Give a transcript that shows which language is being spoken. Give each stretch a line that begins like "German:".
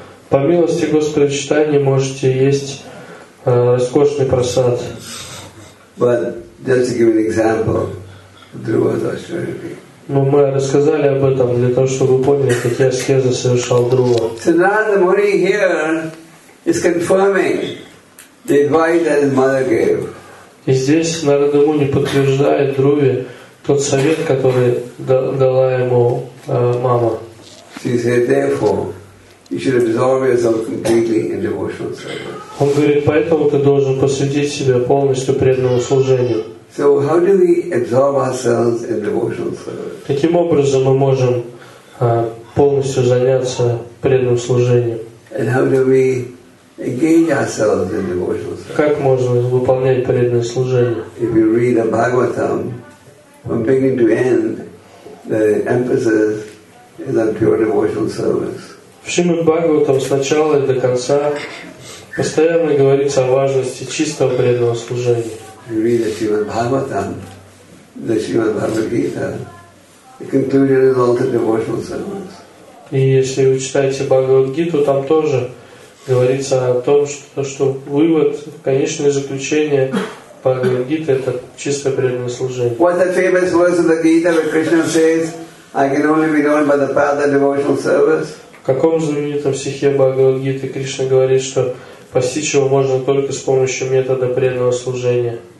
Russian: По милости Господа Чайтаньи можете есть роскошный прасад. Но мы рассказали об этом для того, чтобы вы поняли, какие аскезы совершал Друва.
English: So Narada Muni here is confirming the advice that his mother gave.
Russian: И здесь Нарада Муни подтверждает Друве тот совет, который дала ему мама.
English: She said, therefore, you should absorb yourself completely in devotional service.
Russian: Он говорит, поэтому ты должен посвятить себя полностью преданному служению.
English: So how do we absorb ourselves in devotional service?
Russian: Каким образом мы можем полностью заняться преданным служением?
English: And how do we engage ourselves in devotional service?
Russian: Как можно выполнять преданное служение?
English: If you read the Bhagavatam from beginning to end, the emphasis is on pure devotional service.
Russian: В Шримад-Бхагаватам с начала и до конца постоянно говорится о важности чистого преданного служения.
English: You read the Srimad Bhagavatam, the Srimad Bhagavad Gita, the conclusion is all the devotional service.
Russian: И если вы читаете Бхагавад-гиту, там тоже говорится о том, что вывод, конечное заключение Бхагавад-гиты — это чистое преданное служение.
English: What the famous words of the Gita where Krishna says, I can only be known by the path of devotional service?
Russian: В каком знаменитом стихе Бхагавад-гиты Кришна говорит, что постичь его можно только с помощью метода преданного служения?